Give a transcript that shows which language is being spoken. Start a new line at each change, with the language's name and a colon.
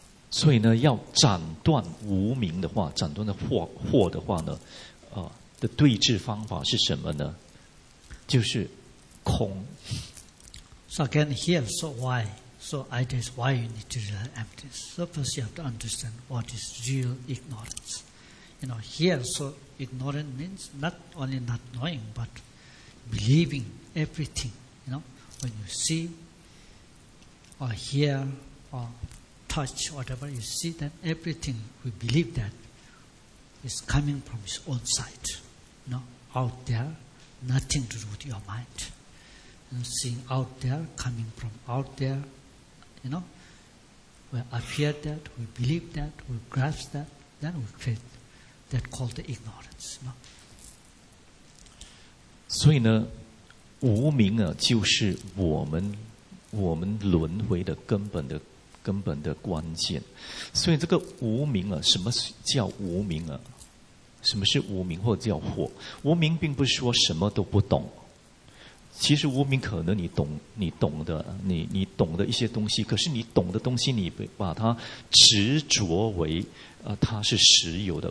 Chinese: 所以呢，要斩断无明的话，斩断的祸的话呢，的对治方法是什么呢？就是空。
English: So again, here, so why? So idea is why you need to realize emptiness. So first, you have to understand what is real ignorance. You know, here, so ignorance means not only not knowing, but believing everything. You know, when you see or hear or. Touch whatever you see, then everything we believe that is coming from his own side. You know, out there, nothing to do with your mind. You know, seeing out there, coming from out there, you know, we appear that, we believe that, we grasp that, then we create that called the ignorance. You know?
Chinese: 所以呢，无明啊，就是我们轮回的根本的关键。所以这个无明啊，什么叫无明啊？什么是无明，或者叫火？无明并不是说什么都不懂。其实无明可能你懂的一些东西，可是你懂的东西你把它执着为它是实有的。